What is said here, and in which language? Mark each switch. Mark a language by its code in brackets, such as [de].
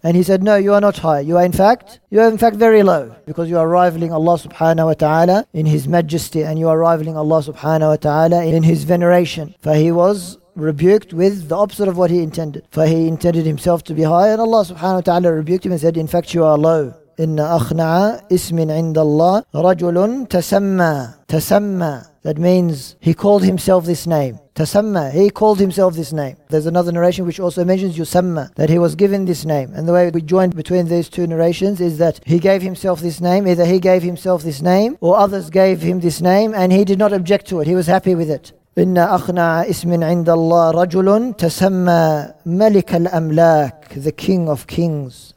[en] And he said, no, you are not high. You are in fact very low. Because you are rivaling Allah subhanahu wa ta'ala in his majesty. And you are rivaling Allah subhanahu wa ta'ala in his veneration. For he was rebuked with the opposite of what he intended. For he intended himself to be high. And Allah subhanahu wa ta'ala rebuked him and said, in fact, you are low. [ar] إن أخنع اسم عند الله رجل تسمى تسمى. [en] That means he called himself this name. Tasamma, he called himself this name. There's another narration which also mentions Yusamma, that he was given this name. And the way we join between these two narrations is that he gave himself this name, either he gave himself this name or others gave him this name and he did not object to it. He was happy with it. [ar] إن أخنع اسم عند الله رجل تسمى ملك الأملاك, [en] the king of kings.